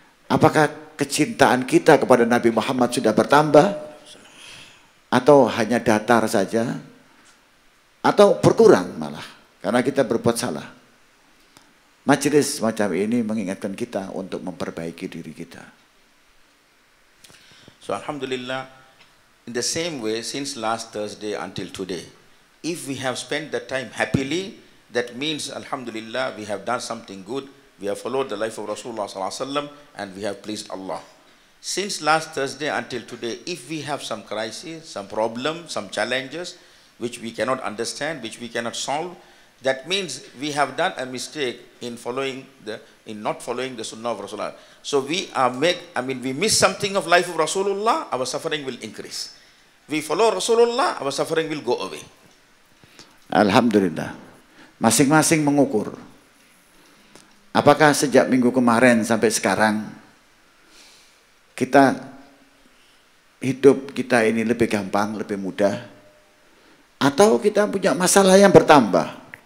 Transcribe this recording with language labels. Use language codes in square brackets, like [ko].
[id] Apakah kecintaan kita kepada Nabi Muhammad sudah bertambah? Atau hanya datar saja? Atau berkurang malah? Karena kita berbuat salah. Majelis macam ini mengingatkan kita untuk memperbaiki diri kita. [en] So alhamdulillah, in the same way since last Thursday until today, if we have spent the time happily, that means alhamdulillah we have done something good, we have followed the life of Rasulullah sallallahu alaihi wasallam and we have pleased Allah. Since last Thursday until today, if we have some crisis, some problem, some challenges which we cannot understand, which we cannot solve, That means we have done a mistake in following the not following the sunnah of Rasulullah. So we are we miss something of life of Rasulullah, our suffering will increase. We follow Rasulullah, our suffering will go away. [id] Alhamdulillah. Masing-masing mengukur. Apakah sejak minggu kemarin sampai sekarang kita hidup kita ini lebih gampang, lebih mudah, atau kita punya masalah yang bertambah?